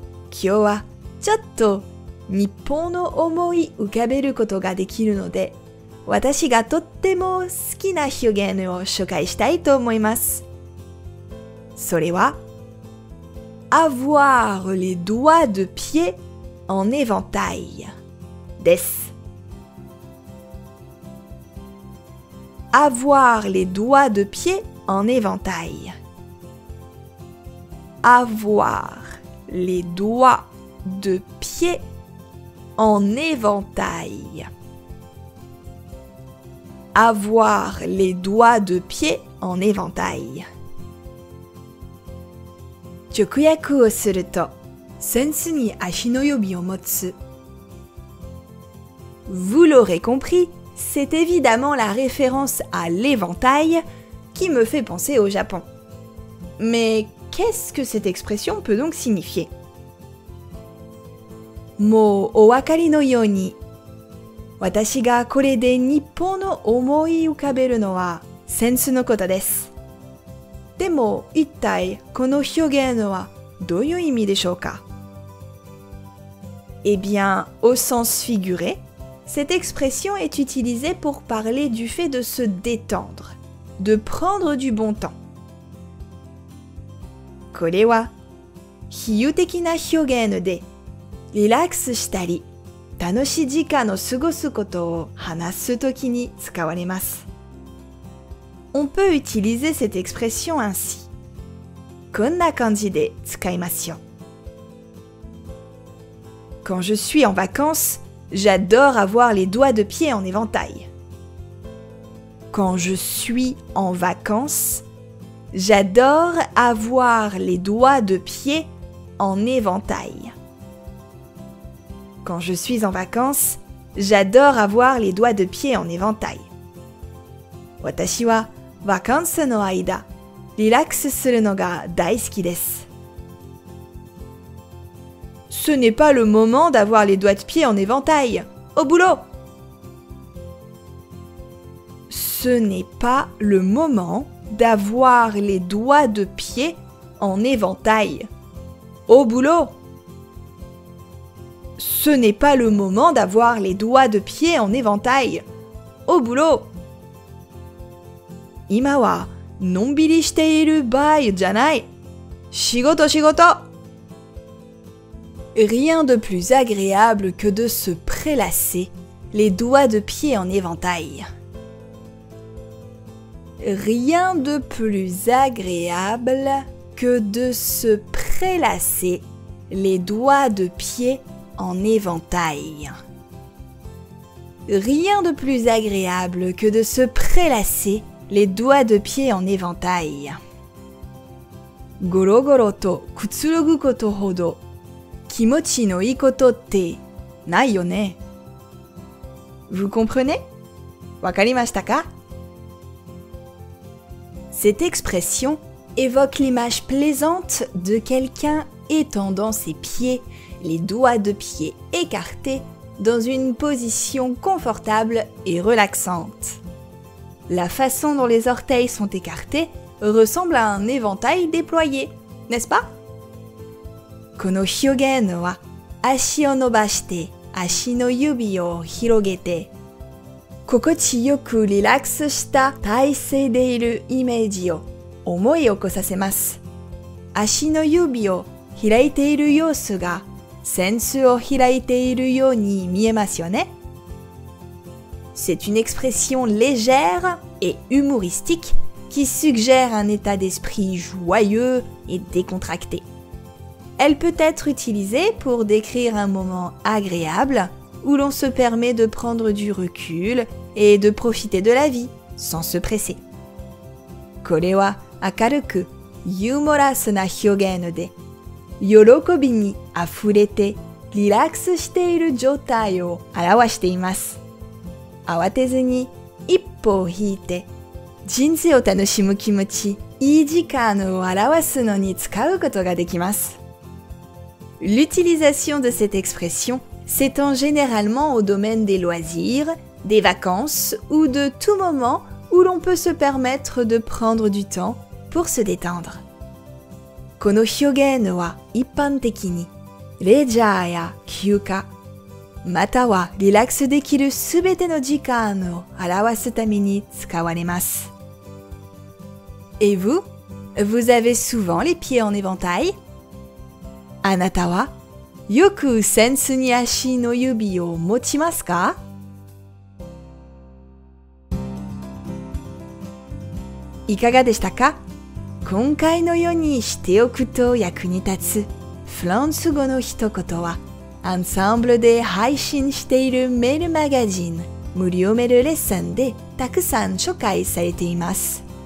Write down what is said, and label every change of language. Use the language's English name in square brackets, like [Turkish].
[Japanese] 今日はちょっと日本の思い浮かべることができるので、私がとっても好きな表現を紹介したいと思います。 [French] それは、avoir les doigts de pied en éventail です。 avoir les doigts de pied en éventail。 avoir les doigts de pied en éventail。 avoir les doigts de pied en éventail。 [Japanese] 直訳をすると、センスに足の指を持つ。 [French] Vous l'aurez compris, c'est évidemment la référence à l'éventail qui me fait penser au Japon. Mais qu'est-ce que cette expression peut donc signifier ? [Japanese] もうお分かりのように、私がこれで日本の思い浮かべるのはセンスのことです。でも、一体この表現はどういう意味でしょうか？ [French] Eh bien, au sens figuré, cette expression est utilisée pour parler du fait de se détendre, de prendre du bon temps. [Japanese] これは、比喩的な表現で、リラックスしたり、楽しい時間を過ごすことを話すときに使われます。 [French] On peut utiliser cette expression ainsi. [Japanese] こんな感じで使いますよ。 [French] Quand je suis en vacances, j'adore avoir les doigts de pied en éventail. Quand je suis en vacances, j'adore avoir les doigts de pied en éventail. Quand je suis en vacances, j'adore avoir les doigts de pied en éventail. [Japanese] 私はバカンスの間、リラックスするのが大好きです。 [French] Ce n'est pas le moment d'avoir les doigts de pied en éventail. Au boulot! Ce n'est pas le moment d'avoir les doigts de pied en éventail. Au boulot! Ce n'est pas le moment d'avoir les doigts de pied en éventail. Au boulot! [Japanese] 今はのんびりしている場合じゃない。仕事仕事。 [French] Rien de plus agréable que de se prélasser les doigts de pied en éventail. Rien de plus agréable que de se prélasser les doigts de pied en éventail. Rien de plus agréable que de se prélasser. Les doigts de pied en éventail. [Japanese] ゴロゴロとくつろぐことほど気持ちのいいことってないよね。 [French] Vous comprenez? [Japanese] わかりましたか? [French] Cette expression évoque l'image plaisante de quelqu'un étendant ses pieds, les doigts de pied écartés, dans une position confortable et relaxante. La façon dont les orteils sont écartés ressemble à un éventail déployé, n'est-ce pas? [Japanese] この表現は、足を伸ばして、足の指を広げて、心地よくリラックスした体勢でいるイメージを思い起こさせます。足の指を開いている様子が、扇子を開いているように見えますよね。 [French] C'est une expression légère et humoristique qui suggère un état d'esprit joyeux et décontracté. Elle peut être utilisée pour décrire un moment agréable où l'on se permet de prendre du recul et de profiter de la vie sans se presser. [Japanese] これは明るくユーモラスな表現で、喜びに溢れてリラックスしている状態を表しています。慌てずに一歩を引いて人生を楽しむ気持ち、いい時間を表すのに使うことができます。 [French] L'utilisation de cette expression s'étend généralement au domaine des loisirs, des vacances ou de tout moment où l'on peut se permettre de prendre du temps pour se détendre. [Japanese] この表現は一般的にレジャーや休暇、またはリラックスできるすべての時間を表すために使われます。 [French] Et vous? Vous avez souvent les pieds en éventail? [Japanese] あなたはよく扇子に足の指を持ちますか？いかがでしたか？今回のようにしておくと役に立つフランス語の一言は、アンサンブルで配信しているメールマガジン無料メールレッスンでたくさん紹介されています。